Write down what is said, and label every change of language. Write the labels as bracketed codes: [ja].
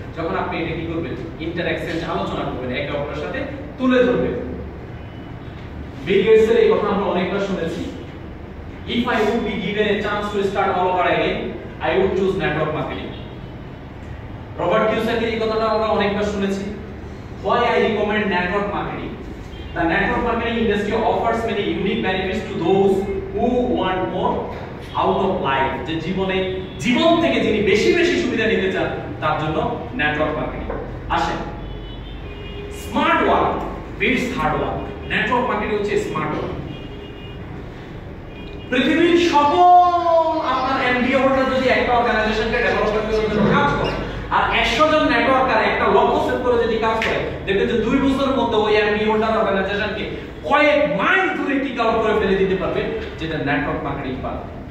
[bn] যখন আপনি এটা কি করবেন, ইন্টারঅ্যাকশন আলোচনা করবেন, একে অপরের সাথে তুলে ধরবেন। বিগেস্ট এর এই কথা আমরা অনেকবার শুনেছি, [en] If I would be given a chance to start all over again I would choose network marketing. [bn] Robert কিওসাকির এই কথাটা আমরা অনেকবার শুনেছি, [en] Why I recommend network marketing. The network marketing industry offers many unique benefits to those who want more out of life. [bn] যে জীবনে জীবন থেকে যিনি বেশি বেশি সুবিধা নিতে চান, তার জন্য network marketing আসে। [en] smart work beats hard work, network marketing [bn] হচ্ছে [en] Smart work. [bn] পৃথিবীর সকল আপনার এমবিএ হোল্ডার যদি একটা অর্গানাইজেশনকে ডেভেলপমেন্ট করার জন্য কাজ করে আর 100 জন নেটওয়ার্কার একটা লক্ষ্য সেট করে যদি কাজ করে, দেখবেন যে 2 বছরের মধ্যে ওই এমবিএ হোল্ডার অর্গানাইজেশনকে কয়েক মাইল দূরে টিক আউট করে ফেলে দিতে পারবে, যেটা নেটওয়ার্ক মার্কেটিং পারবে।